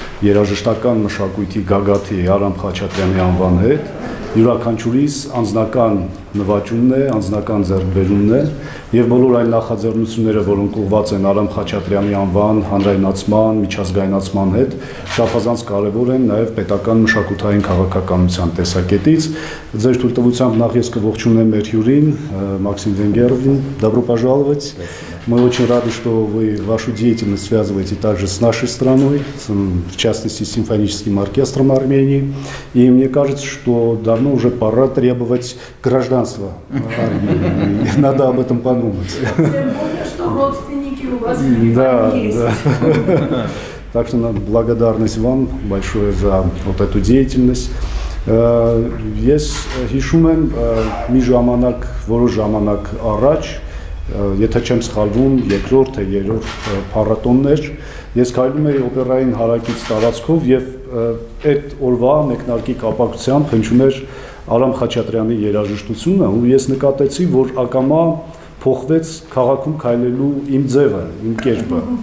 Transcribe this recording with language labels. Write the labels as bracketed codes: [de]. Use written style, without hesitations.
[hy] երաժշտական մշակույթի գագաթի Արամ Խաչատրյանի անվան հետ, յուրաքանչյուրիս անձնական նվաճումն է, անձնական ձեռքբերումն է, և բոլոր այն նախաձեռնությունները, որոնք ուղղված են Արամ Խաչատրյանի անվան հանրայնացման, միջազգայնացման հետ, շափազանց կարևոր են նաև պետական մշակութային քաղաքականության տեսակետից։ Ձեր թույլտվությամբ նախ ես կողջունեմ մեր հյուրին, Մաքսիմ Վենգերովին, [ru] добро пожаловать. Мы очень рады, что вы вашу деятельность связываете также с нашей страной, в частности, с симфоническим оркестром Армении. И мне кажется, что давно уже пора требовать гражданства Армении. Надо об этом подумать. Я помню, что родственники у вас есть. Так что благодарность вам большое за вот эту деятельность. [hy] Ես հիշում եմ մի ժամանակ, որոշ ժամանակ առաջ, եթե չեմ սխալվում, երկրորդ թե երրորդ փառատոնն էր, ես քայլում էի օպերային հարակից տարածքով և այդ օրվա մեկնարկի կապակցությամբ հնչում էր Արամ Խաչատրյանի երաժշտությունը, ու ես նկատեցի, որ ակամա փոխվեց քաղաքում քայլելու իմ ձևը, իմ կերպը,